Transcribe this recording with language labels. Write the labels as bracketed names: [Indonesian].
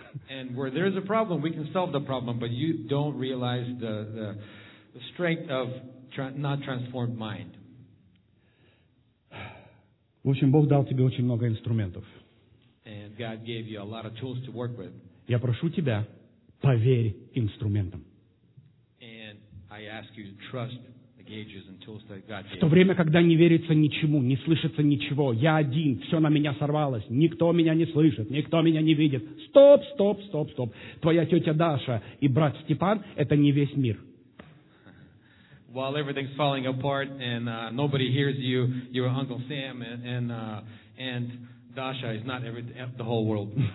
[English] And where there is a problem, we can solve the problem, but you don't realize the strength of not transformed mind. [Russian] В общем, Бог дал тебе очень много инструментов. [English] And God gave you a lot of tools to work with. [Russian] Я прошу тебя, поверь инструментам. [English] And I ask you to trust the [Russian] В то время, когда не верится ничему, не слышится ничего, я один, все на меня сорвалось, никто меня не слышит, никто меня не видит. Стоп, стоп, стоп, стоп. Твоя тетя Даша и брат Степан – это не весь мир. [English] While everything's falling apart and nobody hears you, your Uncle Sam and Dasha is not the whole world.